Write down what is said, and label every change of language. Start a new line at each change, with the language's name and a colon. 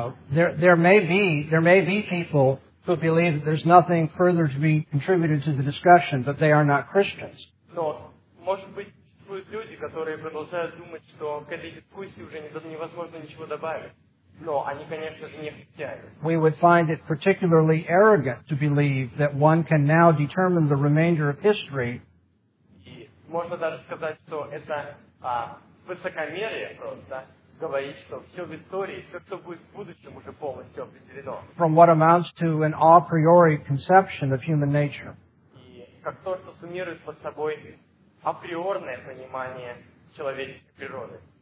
English: There may be people who believe that there's nothing further to be contributed to the discussion, but they are not Christians.
Russian: Но может быть которые продолжают думать, что к этой дискуссии уже невозможно ничего добавить. Но они, конечно же, не христиане.
English: We would find it particularly arrogant to believe that one can now determine the remainder of history.
Russian: И можно даже сказать, что это высокомерие просто. Говорить, что все в истории, все, что будет в будущем, уже полностью определено.
English: From what amounts to an a priori conception of human nature.
Russian: И как то, что суммирует под собой априорное понимание человеческой природы.